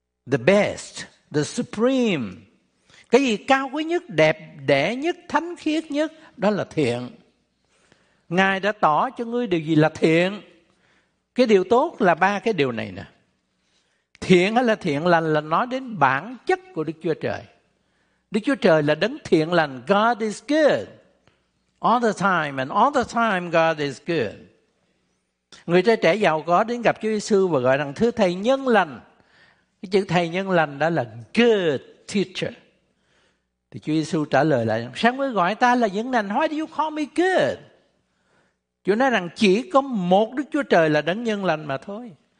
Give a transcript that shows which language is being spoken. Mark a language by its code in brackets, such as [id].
[en] The best, the supreme. [vi] Cái gì cao quý nhất, đẹp đẽ nhất, thánh khiết nhất, đó là thiện. Ngài đã tỏ cho ngươi điều gì là thiện. Cái điều tốt là ba cái điều này nè. Thiện hay là thiện lành là nói đến bản chất của Đức Chúa Trời. Đức Chúa Trời là đấng thiện lành. [en] God is good. All the time and all the time God is good. [vi] Người trai trẻ giàu có đến gặp Chúa Giê-xu và gọi rằng thưa thầy nhân lành. Cái chữ thầy nhân lành đó là [en] good teacher. [vi] Thì Chúa Giê-xu trả lời lại, sao mới gọi ta là nhân lành? [en] Why do you call me good? [vi] Chúa nói rằng chỉ có một Đức Chúa Trời là đấng nhân lành mà thôi.